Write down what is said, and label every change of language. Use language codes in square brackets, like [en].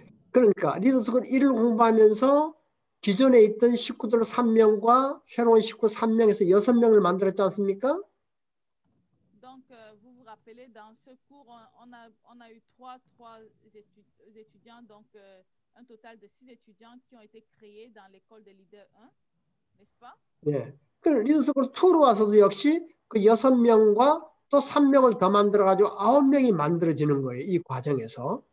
[ko] 그러니까 리더스쿨 1을 공부하면서 기존에 있던 식구들 3명과 새로운 식구 3명에서 6명을 만들었지 않습니까? [fr] Donc, vous vous rappelez, dans ce cours, on a eu trois étudiants, donc un total de six étudiants qui ont été créés dans l'école de leader 1, n'est-ce pas? Oui. [ko] Donc, leader school 2로 와서도 역시 그 6명과 또 3명을 더 만들어가지고 9명이 만들어지는 거예요, 이 과정에서.